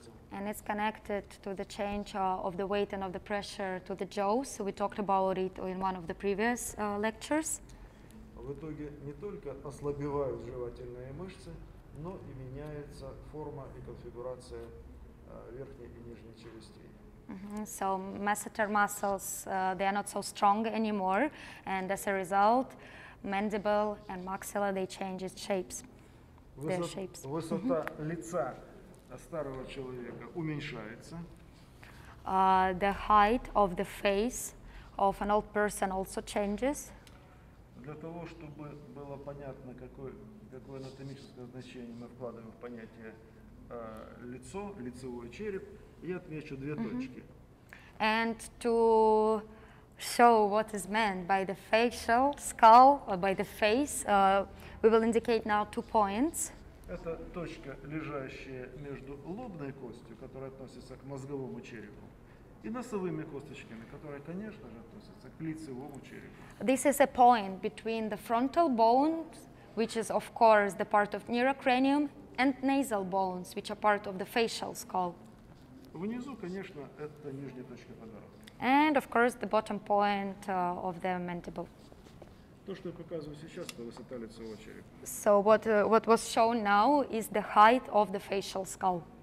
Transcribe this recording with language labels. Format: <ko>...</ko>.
<en>And it's connected to the change of the weight and of the pressure to the jaws. We talked about it in one of the previous lectures.</en> <ru>В итоге не только ослабевают жевательные мышцы, но и меняется форма и конфигурация верхней и нижней челюстей.</ru> <en>So masseter muscles they are not so strong anymore, and as a result, mandible and maxilla they change its shapes.</en> <ru>Высота лица старого человека уменьшается.</ru> <en>The height of the face of an old person also changes.</en> <ru>Для того, чтобы было понятно, какое анатомическое значение мы вкладываем в понятие лицо, лицевой череп, я отмечу две точки.</ru> <en>And to show what is meant by the facial skull, or by the face, we will indicate now two points.</en> <ru>Это точка, лежащая между лобной костью, которая относится к мозговому черепу, и носовыми косточками, которые, конечно же, относятся к лицевому черепу.</ru> <en>This is a point between the frontal bones, which is, of course, the part of neurocranium, and nasal bones, which are part of the facial skull.</en> <ru>Внизу, конечно, это нижняя точка подбородка.</ru> <en>And, of course, the bottom point of the mandible.</en> <ru>То, что я показываю сейчас, это высота лицевого черепа.</ru> <en>So what was shown now is the height of the facial skull.</en>